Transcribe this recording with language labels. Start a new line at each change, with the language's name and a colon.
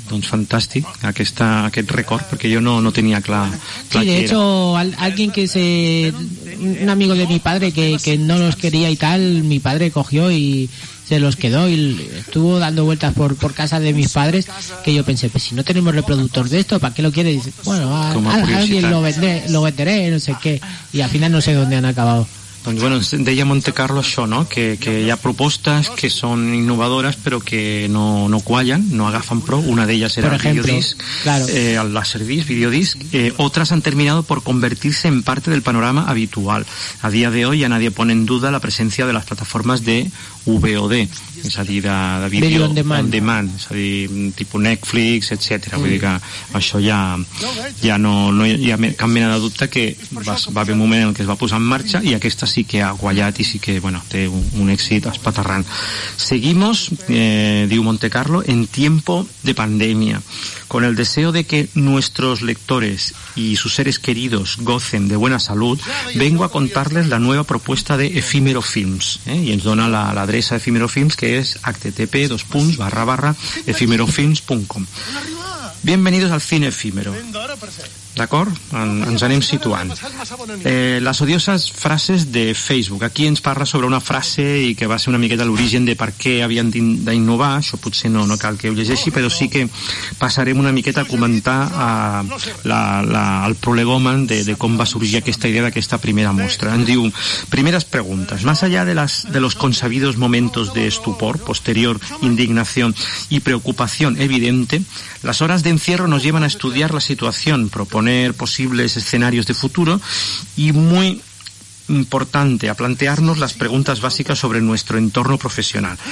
Catalan: Doncs fantàstic aquest record, perquè jo no tenia clar
Spanish: sí, de hecho, alguien que se... Un amigo de mi padre que no los quería y tal, mi padre cogió y se los quedó y estuvo dando vueltas por casa de mis padres, que yo pensé, pues si no tenemos reproductor de esto, ¿para qué lo quieres? Bueno, alguien lo venderé, no sé qué, y al final no sé dónde han acabado.
Catalan: Doncs bueno, deia Monte Carlo això, no? Que hi ha propostes que són innovadores però que no quallen, no agafen prou. Una d'elles era el videodisc, el laserdisc, videodisc.
Spanish: Otras han terminado por convertirse en parte del panorama habitual. A dia de hoy ya nadie pone en duda la presencia de las plataformas de VOD,
Catalan: és a dir,
Spanish: de vídeo
English: on demand,
Catalan: és a dir, tipus Netflix, etcètera. Vull dir que això ja no hi ha cap mena de dubte que va haver un moment en què es va posar en marxa i aquesta sí que ha guanyat i sí que, bueno, té un èxit espaterrant.
Spanish: Seguimos, diu Monte Carlo, en tiempo de pandemia, con el deseo de que nuestros lectores y sus seres queridos gocen de buena salud, vengo a contarles la nueva propuesta de Efímero Films, y
Catalan: ens dona la adreça
Spanish: Efímero Films, que es http://efimerofilms.com. Bienvenidos al cine efímero.
Catalan: D'acord? Ens anem situant. Les odioses frases de Facebook. Aquí ens parla sobre una frase i que va ser una miqueta l'origen de per què havien d'innovar. Això potser no cal que ho llegeixi, però sí que passarem una miqueta a comentar el prolegomen de com va sorgir aquesta idea d'aquesta primera mostra. Ens diu, primeres preguntes.
Spanish: Más allá de los consabidos momentos de estupor, posterior indignación y preocupación evidente, las horas de encierro nos llevan a estudiar la situación, proponer posibles escenarios de futuro y, muy importante, a plantearnos las preguntas básicas sobre nuestro entorno profesional.